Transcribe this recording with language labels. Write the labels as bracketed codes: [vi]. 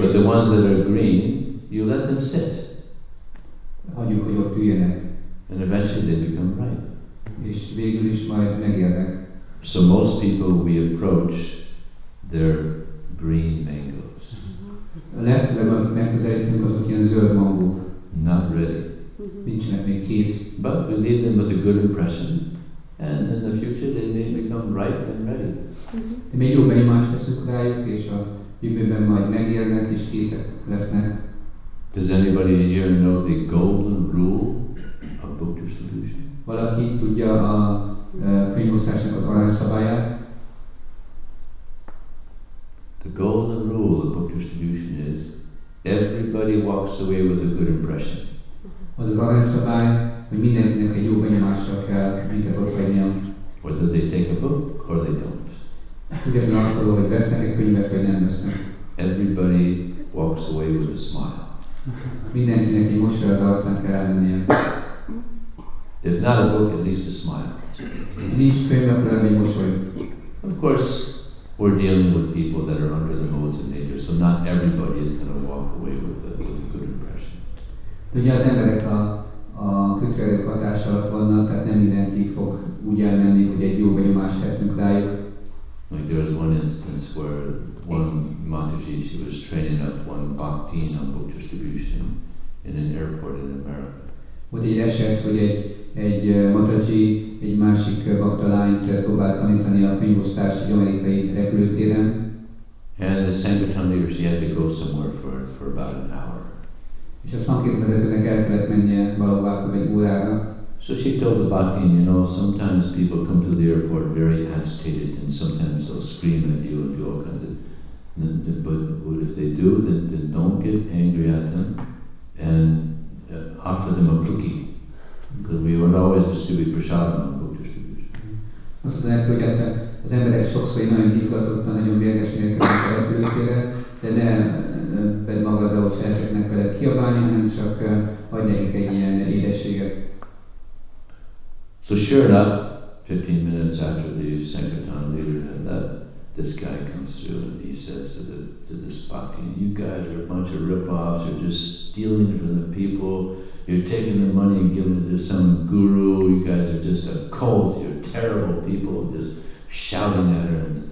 [en] But the ones that are green, you let them sit. [hu] Hagyjuk, hogy ott üljenek. [en] And eventually they become ripe. [hu] És végül is majd megérnek. [en] So most people we approach their green mangoes. [hu] A legtöbben megközelítünk azok ilyen zöld mangók. [en] Not ready. [hu] Nincsenek még kész. [en] But we leave them with a good impression. And in the future they may become ripe and ready. [hu] De még jó benyomást teszünk rájuk, és a jövőben majd megérnek és készek lesznek. [en] Does anybody here know the golden rule of book distribution? [hu] Valaki tudja a könyvosztásnak az arányszabályát? [en] The golden rule of book distribution is everybody walks away with a good impression. [hu] Az az arányszabály, hogy mindenkinek egy jó benyomásra kell, mint ott legyen. [en] Whether they take a book or they don't. [hu] Igazán arról, hogy vesznek egy könyvet, vagy nem vesznek. [en] Everybody walks away with a smile. [hu] Mindenkinek egy mosoly az arcán kell elmennie. [en] If not a book, at least a smile. [hu] Ha nincs könyv, akkor elmennie egy mosoly. [en] Of course, we're dealing with people that are under the modes of nature, so not everybody is going to walk away with a good impression. [hu] De ugye az emberek a kötőerők hatás alatt vannak, tehát nem mindenki fog úgy elmenni, hogy egy jó benyomást tettünk rájuk. [en] Like there was one instance where one Mataji, she was training up one bhakti on book distribution in an airport in America. [hu] Volt egy eset, hogy egy Mataji egy másik bhakta lányt próbált tanítani a könyvosztás egy amerikai repülőtéren. [en] And the Sankirtan leader, she had to go somewhere for about an hour. [hu] És a Sankirtan vezetőnek el kellett mennie valahová egy órára. [en] So she told the bhakti, you know, sometimes people come to the airport very agitated and sometimes they'll scream at you and do all kinds of things. But what if they do, then don't get angry at them and offer them a cookie. Because we would always distribute prasadam on book distribution. [hu] Azt mondják, hogy az emberek sokszor nagyon izgatottan, nagyon mérgesen érkeznek a repülőtére, de ne bedd magad, ahogy elkezdnek veled kiabálni, hanem csak adj nekik egy ilyen édességet. [en] So sure enough, 15 minutes after the Sankirtan leader had left, this guy comes through and he says to this bhakti, you guys are a bunch of rip-offs, you're just stealing from the people, you're taking the money and giving it to some guru, you guys are just a cult, you're terrible people, just shouting at her.